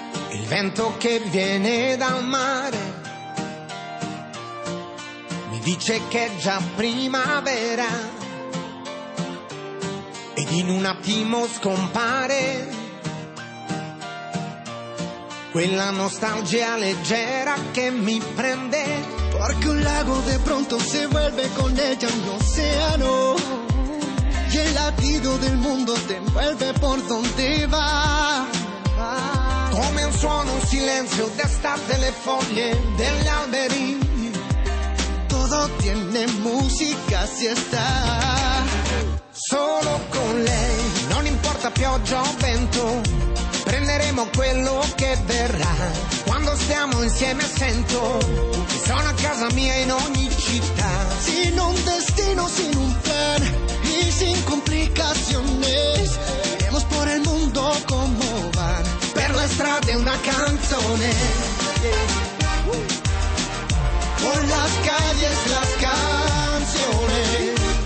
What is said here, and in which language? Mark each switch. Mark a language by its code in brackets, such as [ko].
[it] Il vento che viene dal mare mi dice che è già primavera ed in un attimo scompare quella nostalgia leggera [es] que me prende. Porque un lago de pronto se vuelve con ella un océano y el latido del mundo te envuelve por donde va. [it] Come un suono, un silencio d'estate, le foglie degli alberi, [es] todo tiene música si está [it] solo con lei. Non importa pioggia o vento, prenderemo quello che verrà. Quando stiamo insieme sento che sono a casa mia in ogni città. [es] Sin un destino, sin un plan y sin complicaciones, iremos por el mundo como van. [it] Per la strada una canzone, [es] por las calles las canciones.